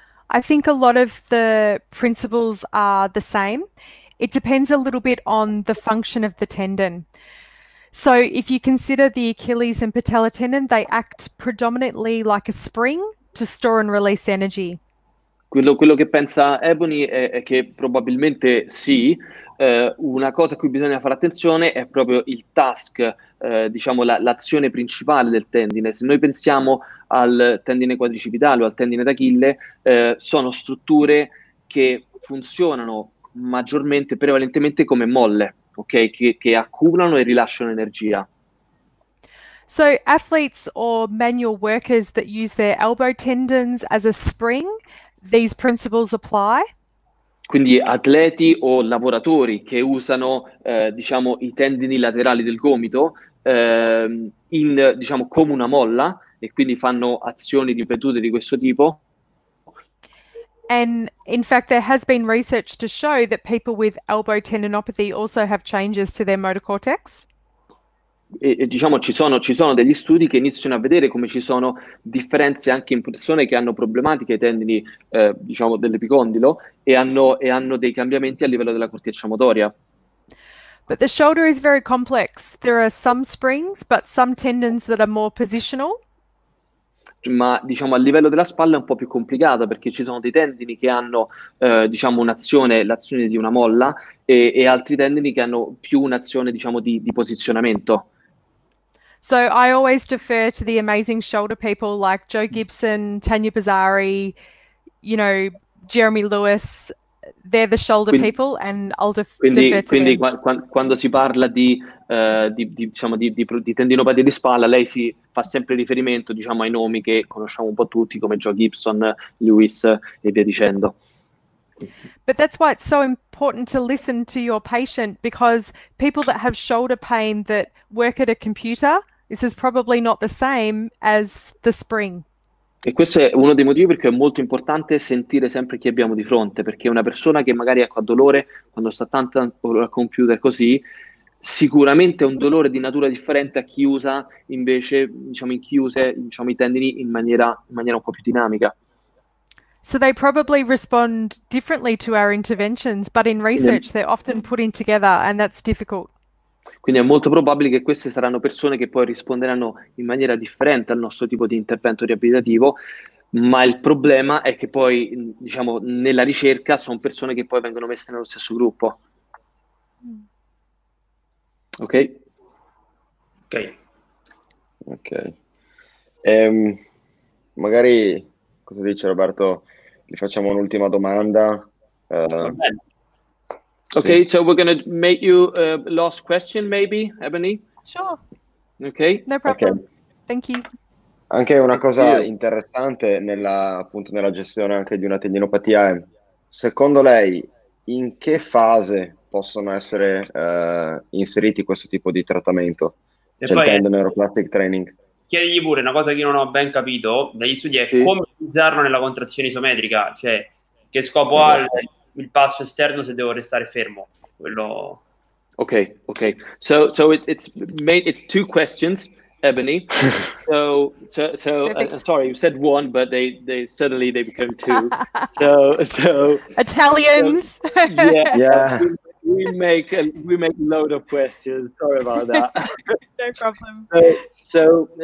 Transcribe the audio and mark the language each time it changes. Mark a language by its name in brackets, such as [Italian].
[English] I think a lot of the principles are the same. It depends a little bit on the function of the tendon. So if you consider the Achilles and patella tendon, they act predominantly like a spring to store and release energy. [Italian] Quello che pensa Ebony è che probabilmente sì, una cosa a cui bisogna fare attenzione è proprio il task, diciamo l'azione principale del tendine. Se noi pensiamo al tendine quadricipitale o al tendine d'Achille, sono strutture che funzionano maggiormente, prevalentemente come molle, ok, che accumulano e rilasciano energia. [English] So athletes or manual workers that use their elbow tendons as a spring, these principles apply. [Italian] Quindi atleti o lavoratori che usano diciamo i tendini laterali del gomito in diciamo come una molla e quindi fanno azioni ripetute di questo tipo. [English] And in fact, there has been research to show that people with elbow tendinopathy also have changes to their motor cortex. [Italian] E diciamo ci sono degli studi che iniziano a vedere come ci sono differenze anche in persone che hanno problematiche ai tendini diciamo dell'epicondilo e hanno dei cambiamenti a livello della corteccia motoria. [English] But the shoulder is very complex. There are some springs, but some tendons that are more positional. [Italian] Ma diciamo a livello della spalla è un po' più complicata perché ci sono dei tendini che hanno diciamo l'azione di una molla e altri tendini che hanno più un'azione diciamo di posizionamento. [English] So I always defer to the amazing shoulder people like Joe Gibson, Tanya Bazzari, you know, Jeremy Lewis. They're the shoulder people, and I'll defer to [Italian] quindi [English] them. [Italian] Quindi quando si parla di tendinopatia di spalla, lei si fa sempre riferimento, diciamo, ai nomi che conosciamo un po' tutti, come Joe Gibson, Lewis e via dicendo. [English] But that's why it's so important to listen to your patient, because people that have shoulder pain that work at a computer, this is probably not the same as the spring. [Italian] E questo è uno dei motivi perché è molto importante sentire sempre chi abbiamo di fronte, perché una persona che magari ha dolore quando sta tanto al computer così, sicuramente è un dolore di natura differente a chi usa invece, diciamo, in chi usa, diciamo, i tendini in maniera un po' più dinamica. [English] So they probably respond differently to our interventions, but in research they're often put in together, and that's difficult. [Italian] Quindi è molto probabile che queste saranno persone che poi risponderanno in maniera differente al nostro tipo di intervento riabilitativo, ma il problema è che poi, diciamo, nella ricerca sono persone che poi vengono messe nello stesso gruppo. Ok? Ok. Ok. Magari, cosa dice Roberto? Gli facciamo un'ultima domanda. [English] Okay, so we're going to make you a last question, maybe, Ebony? Sure. Okay. No problem. Okay. Thank you. [Italian] Anche una cosa interessante nella gestione anche di una tendinopatia è, secondo lei, in che fase possono essere inseriti questo tipo di trattamento? E c'è poi, il tendon neuroplastic training. Chiedigli pure una cosa che io non ho ben capito dagli studi, è come utilizzarlo nella contrazione isometrica, cioè che scopo ha il passo esterno se devo restare fermo, quello. [English] Okay. So it's two questions, Ebony. So sorry, you said one, but they suddenly they become two. So Italians. Yeah. We make a load of questions. Sorry about that. No problem.